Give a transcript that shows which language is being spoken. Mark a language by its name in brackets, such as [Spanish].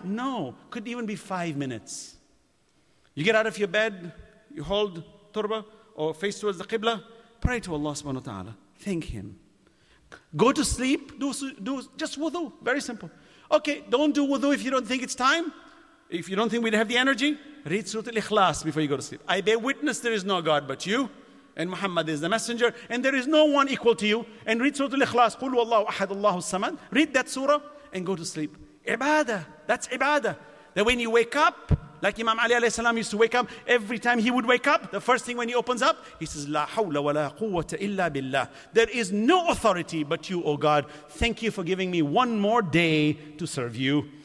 [English] No, could even be 5 minutes. You get out of your bed, you hold turba or face towards the Qibla, pray to Allah subhanahu wa ta'ala, thank Him. Go to sleep, do just wudu, very simple. Okay, don't do wudu if you don't think it's time. If you don't think we'd have the energy, read Surah Al-Ikhlas before you go to sleep. I bear witness there is no God but you, and Muhammad is the messenger, and there is no one equal to you. And read Surah Al-Ikhlas, [Arabic] قُلْ وَاللَّهُ أَحَدُ اللَّهُ السَّمَدُ. [English] Read that surah and go to sleep. Ibadah, that's ibadah. That when you wake up, like Imam Ali alayhi salam used to wake up, every time he would wake up, the first thing when he opens up, he says, [Arabic] لَا حَوْلَ وَلَا قُوَّةَ إِلَّا بِاللَّهِ. [English] There is no authority but you, O God. Thank you for giving me one more day to serve you.